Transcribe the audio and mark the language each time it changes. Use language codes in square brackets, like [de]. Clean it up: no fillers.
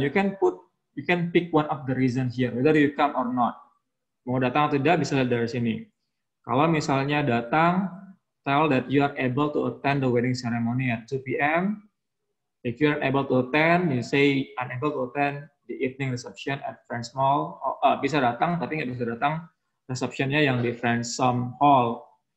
[en] You can pick one of the reason here, whether you come or not. [id] Mau datang atau tidak bisa lihat dari sini. Kalau misalnya datang, [en] tell that you are able to attend the wedding ceremony at 2 p.m. If you are able to attend, you say unable to attend the evening reception at Friends Hall. [id] Bisa datang, tapi nggak bisa datang reception-nya yang di Friends Hall.